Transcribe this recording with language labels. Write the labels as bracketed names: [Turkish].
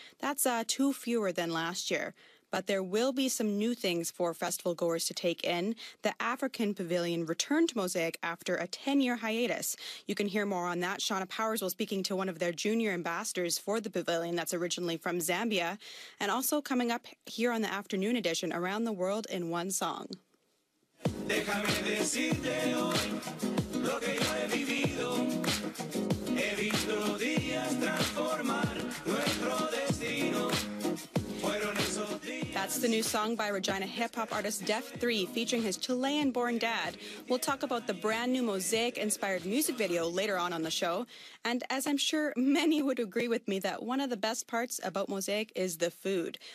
[English] That's two fewer than last year. But there will be some new things for festival goers to take in. The African Pavilion returned to Mosaic after a 10-year hiatus. You can hear more on that. Shauna Powers was speaking to one of their junior ambassadors for the pavilion that's originally from Zambia. And also coming up here on the Afternoon Edition, Around the World in One Song. [Spanish] Déjame decirte hoy lo que yo he vivido. He visto días transformar nuestro destino. [English] That's the new song by Regina hip-hop artist Def 3 featuring his Chilean-born dad. We'll talk about the brand new Mosaic-inspired music video later on the show. And as I'm sure many would agree with me that one of the best parts about Mosaic is the food.